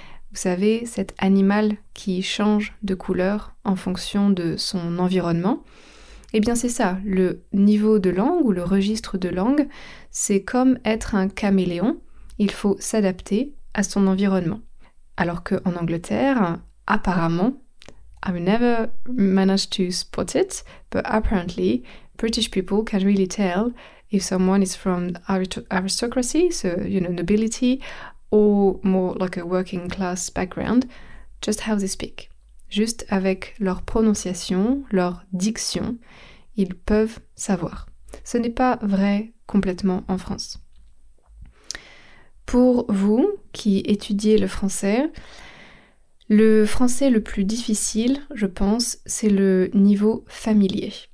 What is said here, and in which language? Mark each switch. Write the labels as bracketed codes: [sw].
[fr] Vous savez, cet animal qui change de couleur en fonction de son environnement. Eh bien, c'est ça, le niveau de langue ou le registre de langue, c'est comme être un caméléon. Il faut s'adapter à son environnement. Alors qu'en Angleterre, apparemment, [en] I've never managed to spot it, but apparently, British people can really tell if someone is from aristocracy, so, you know, nobility, or more like a working class background, just how they speak. [fr] Juste avec leur prononciation, leur diction, ils peuvent savoir. Ce n'est pas vrai complètement en France. Pour vous qui étudiez le français, le français le plus difficile, je pense, c'est le niveau familier.